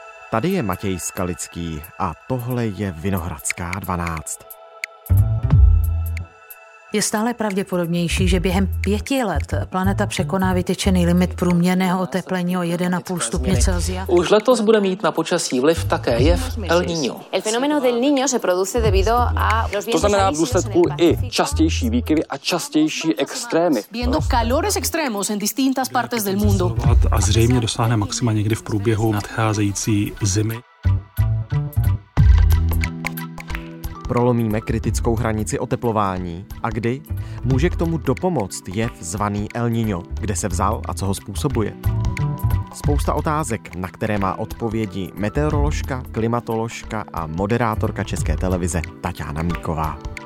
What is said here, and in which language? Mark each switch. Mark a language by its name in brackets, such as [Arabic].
[Czech] Tady je Matěj Skalický a tohle je Vinohradská 12. Je stále pravděpodobnější, že během 5 let planeta překoná vytyčený limit průměrného oteplení o 1,5 stupně Celsia. Už letos bude mít na počasí vliv také jev El Niño. [Spanish] El fenómeno del Niño se produce debido a... [Czech] To znamená v důsledku i častější výkyvy a častější extrémy. [Spanish] Viendo calores extremos en distintas partes del mundo. [Czech] A zřejmě dosáhne maxima někdy v průběhu nadcházející zimy. Prolomíme kritickou hranici oteplování. A kdy? Může k tomu dopomoct jev zvaný El Niño? Kde se vzal a co ho způsobuje? Spousta otázek, na které má odpovědi meteoroložka, klimatoložka a moderátorka České televize Taťána Míková.